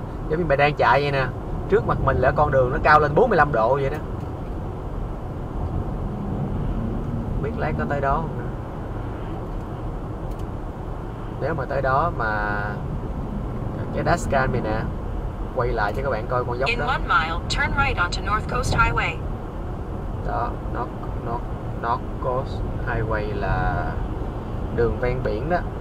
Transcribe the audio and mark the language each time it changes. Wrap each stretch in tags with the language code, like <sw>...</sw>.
<vi>Giống như mày đang chạy vậy nè, trước mặt mình là con đường nó cao lên 45 độ vậy đó. Không biết lát có tới đó không nữa. Nếu mà tới đó mà cái dashcam mày nè, quay lại cho các bạn coi con dốc đó.</vi> <en>In 1 mile, turn right onto North Coast Highway.</en> <vi>Đó, North Coast Highway là đường ven biển đó.</vi>